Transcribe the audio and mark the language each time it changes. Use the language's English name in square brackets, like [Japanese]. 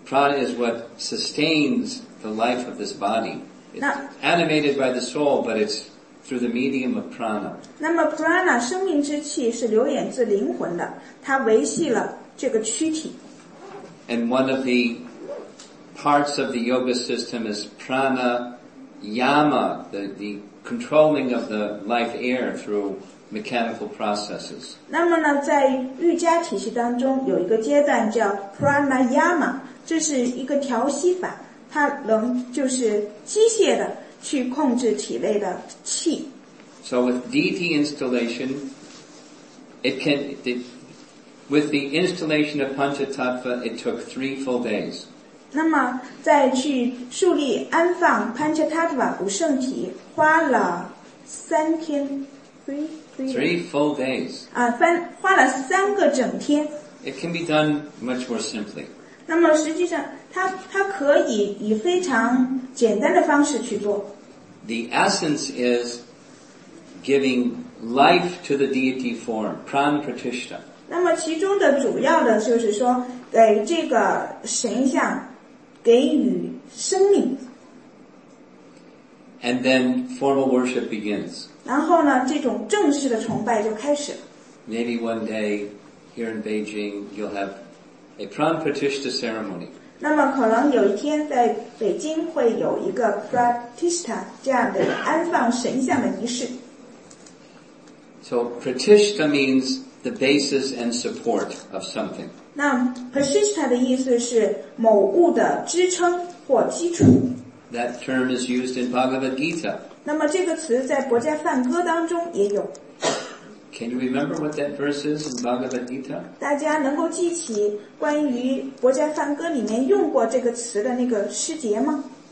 [English] Prana is what sustains the life of this body. It's animated by the soul, but it's through the medium of prana. [Chinese] 那么 prana 生命之气是流眼自灵魂的，它维系了这个躯体。 [English] And one of the parts of the yoga system is pranayama, the controlling of the life air through. Mechanical processes. [Chinese] 那么呢，在瑜伽体系当中有一个阶段叫 pranayama， 这是一个调息法，它能就是机械的去控制体内的气。 [English] So with deity installation, with the installation of Panchatattva, it took 3 full days. [Chinese] 那么再去树立安放 Panchatattva 无圣体，花了三天。 [English] Three full days. [Chinese] 花了三个整天。 [English] It can be done much more simply. [Chinese] 那么实际上它可以以非常简单的方式去做。 [English] The essence is giving life to the deity form, pran pratishtha. [Chinese] 那么其中的主要的就是说给这个神像给予生命。 [English] And then formal worship begins. [Chinese] 然后呢，这种正式的崇拜就开始了。 [English] Maybe one day here in Beijing, you'll have a Pran Pratishtha ceremony. [Chinese] 那么可能有一天在北京会有一个 Pratishtha 这样的安放神像的仪式。 [English] So Pratishtha means the basis and support of something. [Chinese] 那 Pratishtha 的意思是某物的支撑或基础。 [English] That term is used in Bhagavad Gita. [Chinese] 那么这个词在《薄伽梵歌》当中也有。 [English] Can you remember what that verse is in Bhagavad Gita? [Chinese] 大家能够记起关于《薄伽梵歌》里面用过这个词的那个诗节吗